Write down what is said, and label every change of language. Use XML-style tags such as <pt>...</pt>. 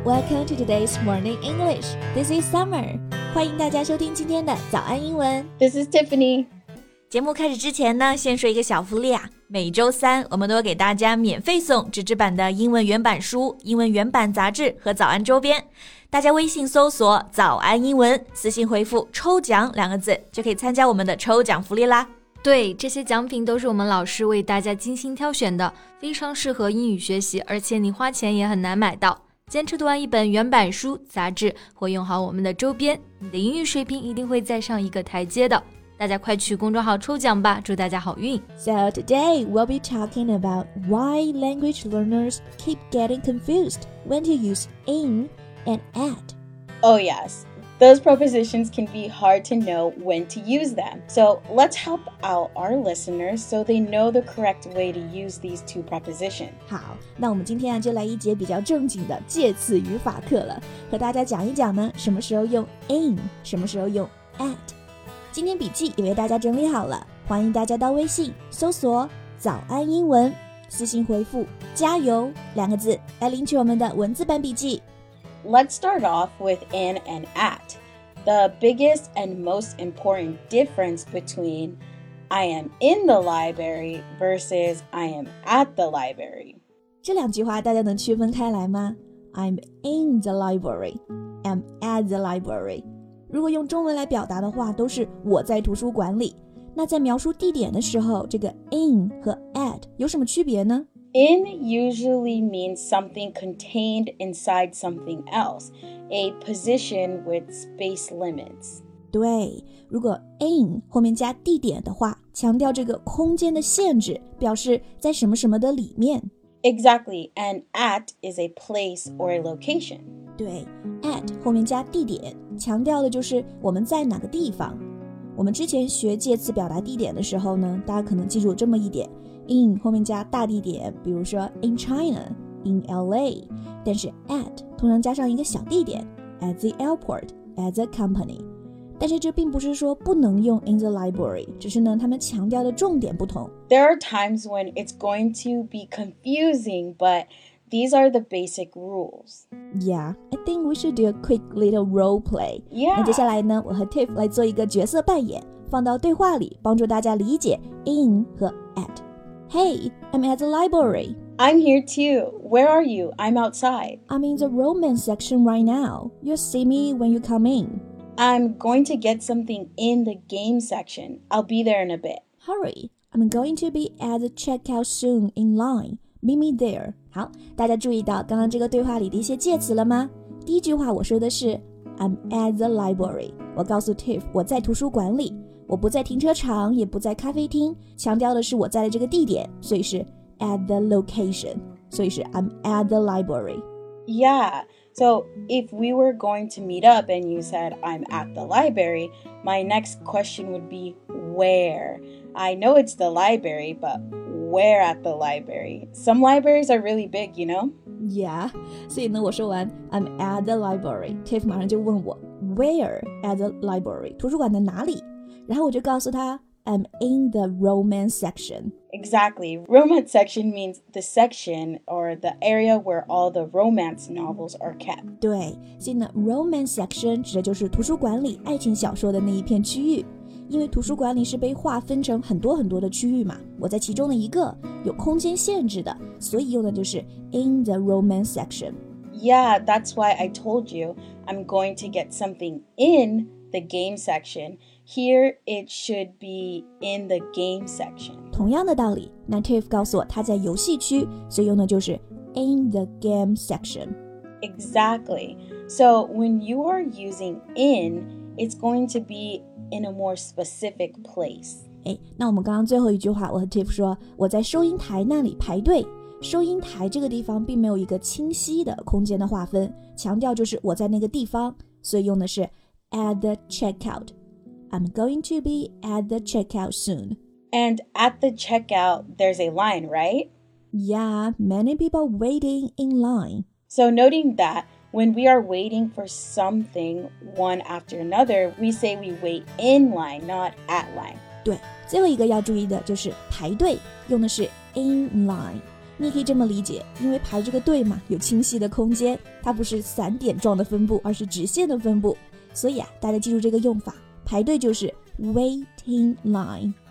<en>Welcome to today's Morning English. This is Summer.</en> <zh>欢迎大家收听今天的早安英文。</zh> <en>This is Tiffany.</en> <zh>节目开始之前呢，先说一个小福利啊。每周三，我们都会给大家免费送纸质版的英文原版书、英文原版杂志和早安周边。大家微信搜索“早安英文”，私信回复“抽奖”两个字，就可以参加我们的抽奖福利啦。对，这些奖品都是我们老师为大家精心挑选的，非常适合英语学习，而且你花钱也很难买到。坚持读完一本原版书、杂志，或用好我们的周边，你的英语水平一定会再上一个台阶的。大家快去公众号抽奖吧，祝大家好运。</zh> <en>So today we'll be talking about why language learners keep getting confused when to use in and at. Oh yes. Those prepositions can be hard to know when to use them. So let's help out our listeners so they know the correct way to use these two prepositions.</en> <zh>好，那我们今天啊就来一节比较正经的介词语法课了，和大家讲一讲呢，什么时候用 in， 什么时候用 at。今天笔记也为大家整理好了，欢迎大家到微信搜索“早安英文”，私信回复“加油”两个字来领取我们的文字版笔记。</zh> <en>Let's start off with in and at. The biggest and most important difference between I am in the library versus I am at the library.</en> <zh>这两句话大家能区分开来吗？</zh> <en>I'm in the library, I'm at the library.</en> <zh>如果用中文来表达的话，都是我在图书馆里。那在描述地点的时候，这个 in 和 at 有什么区别呢？</zh> <en>In usually means something contained inside something else, a position with space limits.</en> <zh>对，如果 in 后面加地点的话，强调这个空间的限制，表示在什么什么的里面。</zh> <en>Exactly, and at is a place or a location.</en> <zh>对 ，at 后面加地点，强调的就是我们在哪个地方。我们之前学介词表达地点的时候呢，大家可能记住这么一点。 In 后面加大地点，比如说</zh> <en>in China, in LA,</en> <zh>但是 at 通常加上一个小地点</zh> <en>at the airport, at the company.</en> <zh>但是这并不是说不能用</zh> <en>in the library,</en> <zh>只是呢他们强调的重点不同。</zh> <en>There are times when it's going to be confusing, but these are the basic rules. Yeah, I think we should do a quick little role play. Yeah.</en> <zh>那接下来呢我和 Tiff 来做一个角色扮演，放到对话里帮助大家理解 in 和 at。</zh> <en>Hey, I'm at the library. I'm here too. Where are you? I'm outside. I'm in the romance section right now. You'll see me when you come in. I'm going to get something in the game section. I'll be there in a bit. Hurry. I'm going to be at the checkout soon in line. Meet me there.</en> <zh>好，大家注意到刚刚这个对话里的一些介词了吗？第一句话我说的是</zh> <en>I'm at the library.</en> <zh>我告诉 Tiff 我在图书馆里。我不在停车场，也不在咖啡厅，强调的是我在的这个地点，所以是</zh> <en>at the location,</en> <zh>所以是</zh> <en>I'm at the library. Yeah, so if we were going to meet up and you said I'm at the library, my next question would be where? I know it's the library, but where at the library? Some libraries are really big, you know? Yeah,</en> <zh>所以呢我说完</zh> <en>I'm at the library,</en> <zh>Tiff 马上就问我</zh> <en>where at the library?</en> <zh>图书馆在哪里？然后我就告诉他</zh> <en>I'm in the romance section. Exactly. Romance section means the section or the area where all the romance novels are kept.</en> <zh>对，所以呢 romance section 指的就是图书馆里爱情小说的那一片区域，因为图书馆里是被划分成很多很多的区域嘛，我在其中的一个，有空间限制的，所以用的就是</zh> <en>in the romance section. Yeah, that's why I told you I'm going to get something in the game sectionHere, it should be in the game section.</en> <zh>同样的道理，那 Tiff 告诉我他在游戏区，所以用的就是</zh> <en>in the game section. Exactly. So when you are using in, it's going to be in a more specific place.</en> <zh>哎，那我们刚刚最后一句话，我和 Tiff 说，我在收银台那里排队。收银台这个地方并没有一个清晰的空间的划分，强调就是我在那个地方，所以用的是</zh> <en>at the checkout. I'm going to be at the checkout soon. And at the checkout, there's a line, right? Yeah, many people waiting in line. So noting that, when we are waiting for something one after another, we say we wait in line, not at line.</en> <zh>对，最后一个要注意的就是排队，用的是</zh> <en>in line。</en> <zh>你可以这么理解，因为排这个队嘛，有清晰的空间，它不是散点状的分布，而是直线的分布。所以啊，大家记住这个用法，排队就是</zh> <en>waiting line。</en>